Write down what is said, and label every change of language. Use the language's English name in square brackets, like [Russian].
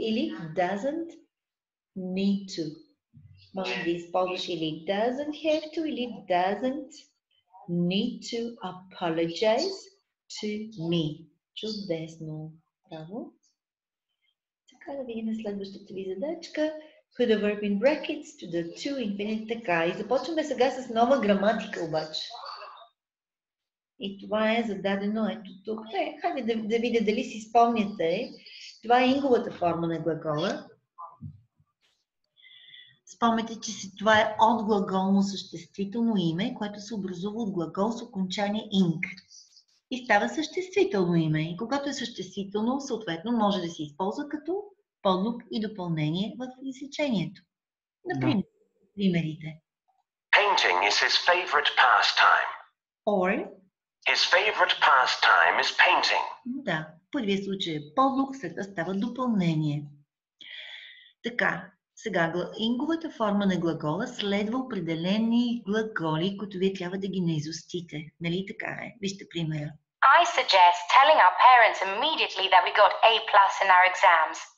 [Bulgarian] Или doesn't need to. Може да използваш или doesn't have to, или [English] doesn't need to apologize to me. [Bulgarian] Чудесно. Браво. Така, да видим следващата ви задачка. [English] Put a verb in brackets to the two infinitive. [Bulgarian] Така, и започваме сега с нова граматика обаче. И това е зададено ето тук. Хайде да видя дали си спомняте. Това е инговата форма на глагола. Спомнете, че си, това е от глаголно съществително име, което се образува от глагол с окончание ing. И става съществително име. И когато е съществително, съответно може да се използва като подлог и допълнение в изречението. Например, да. Примерите. [English] Painting is his favorite pastime. Or his favorite pastime is painting. [Bulgarian] Да, в първия случай е подлог, след това става допълнение. Така. Сега, инговата форма на глагола следва определени глаголи, които вие трябва да ги наизустите. Нали така е? Вижте примера. [English] I suggest telling our parents immediately that we got A+ in our exams.